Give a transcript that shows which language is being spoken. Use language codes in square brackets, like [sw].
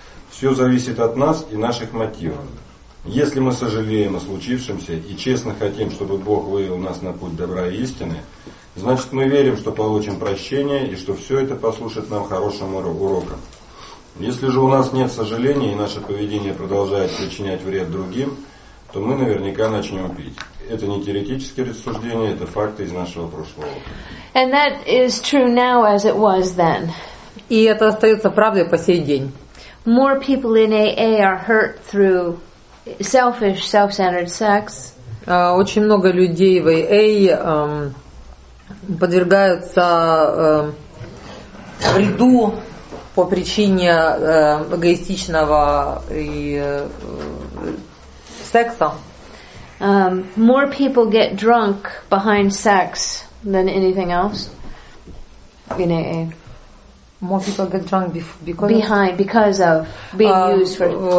[ru] Все зависит от нас и наших мотивов. Если мы сожалеем о случившемся и честно хотим, чтобы Бог вывел нас на путь добра и истины, значит, мы верим, что получим прощение и что все это послужит нам хорошим уроком. Если же у нас нет сожаления и наше поведение продолжает причинять вред другим, то мы наверняка начнем пить. Это не теоретические рассуждения, это факты из нашего прошлого. [en] And that is true now as it was then. [ru] И это остается правдой по сей день. [en] More people in AA are hurt through selfish, self-centered sex. [ru] Очень много людей в AA подвергаются вреду по причине эгоистичного и секса. [en] More people get drunk behind sex than anything else in AA. More people get drunk because behind, because of being used for.